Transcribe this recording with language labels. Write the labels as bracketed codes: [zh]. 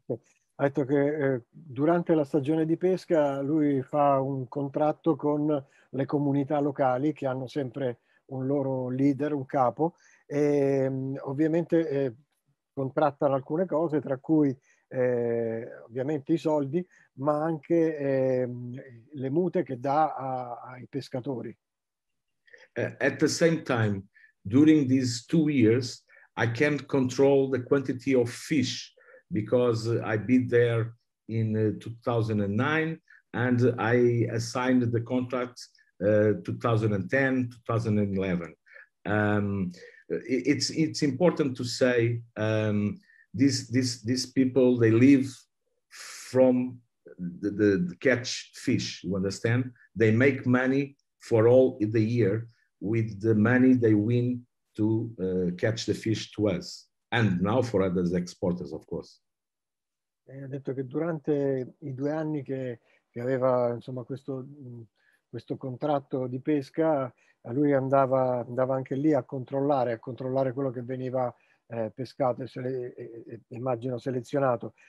[it] Okay. Ha detto che durante la stagione di pesca lui fa un contratto con le comunità locali che hanno sempre un loro leader, un capo, e ovviamente contrattano alcune cose, tra cui ovviamente i soldi, ma anche le mute che dà ai pescatori. [en] At the same time, during these 2 years, I can't control the quantity of fish because I been there in 2009 and I assigned the contract 2010, 2011. It's important to say these people, they live from the catch fish, you understand? They make money for all the year with the money they win to catch the fish to us, and now for others exporters, of course. [it] Ha detto che durante i 2 anni che aveva insomma questo contratto di pesca, a lui andava anche lì a controllare quello che veniva pescato immagino selezionato.